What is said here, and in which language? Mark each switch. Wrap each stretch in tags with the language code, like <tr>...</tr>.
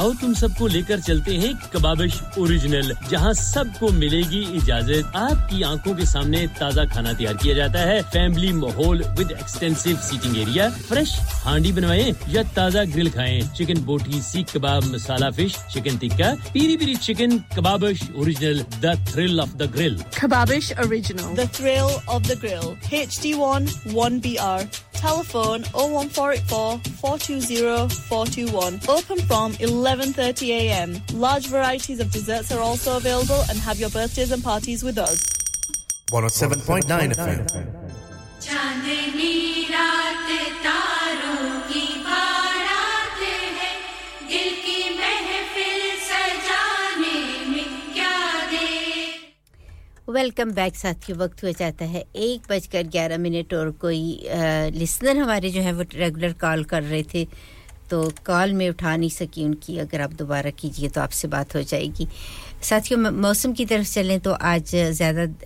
<hi>आओ तुम सबको लेकर चलते हैं कबाबिश ओरिजिनल जहां सबको मिलेगी इजाजत आपकी आंखों के सामने ताजा खाना तैयार किया जाता है फैमिली माहौल</hi> <en>with extensive seating area</en> <hi>fresh हांडी बनवाए या ताजा ग्रिल खाएं चिकन बोटी सीख कबाब मसाला fish chicken tikka Piri Piri chicken Kababish original</hi> <en>The thrill of the grill Kababish original the thrill of the grill HD1 1BR telephone 01484-420-421 open from 11:30 a.m. large varieties of desserts are also available and have your birthdays and parties with us 107.9 FM</en> <hi>चांदनी रात तारों की बारात है दिल की महफिल सजाने में क्या दे वेलकम बैक साथियों वक्त हो जाता है 1:11 और कोई लिसनर हमारे जो है वो रेगुलर कॉल कर रहे थे तो कॉल में उठा नहीं सकी उनकी अगर आप दोबारा कीजिए तो आपसे बात हो जाएगी साथियों मौसम की तरफ चलें तो आज ज्यादा</hi>